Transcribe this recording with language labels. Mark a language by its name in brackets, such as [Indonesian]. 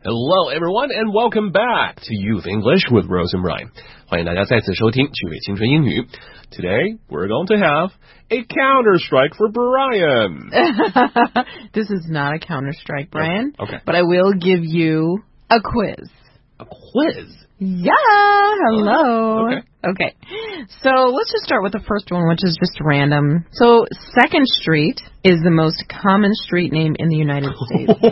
[English] Hello, everyone, and welcome back to Youth English with Rose and Brian. [Chinese] 欢迎大家再次收听趣味青春英语。 [English] Today, we're going to have a counter-strike for Brian. This is not a counter-strike, Brian. Okay. But I will give you a quiz. A quiz? Yeah, hello. Okay. So let's just start with the first one, which is just random. So 2nd Street is the most common street name in the United States.